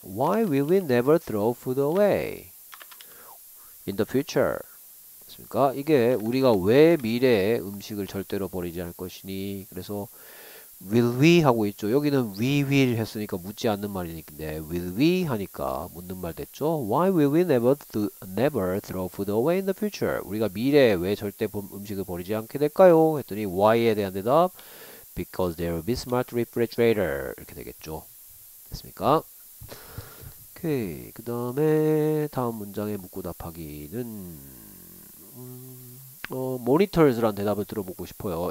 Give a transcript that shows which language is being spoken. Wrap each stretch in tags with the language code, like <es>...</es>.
<en>Why will we never throw food away in the future?</en> <ko>됐습니까? 이게 우리가 왜 미래에 음식을 절대로 버리지 않을 것이니 그래서</ko> <en>Will we</en> <ko>하고 있죠. 여기는</ko> <en>we will</en> <ko>했으니까 묻지 않는 말이니까 네,</ko> <en>will we</en> <ko>하니까 묻는 말 됐죠.</ko> <en>Why will we never throw food away in the future?</en> <ko>우리가 미래에 왜 절대 음식을 버리지 않게 될까요? 했더니 why에 대한 대답</ko> <en>because there will be smart refrigerator</en> <ko>이렇게 되겠죠. 됐습니까? 오케이. 그 다음에 다음 문장에 묻고 답하기는 monitors란 대답을 들어보고 싶어요.</ko>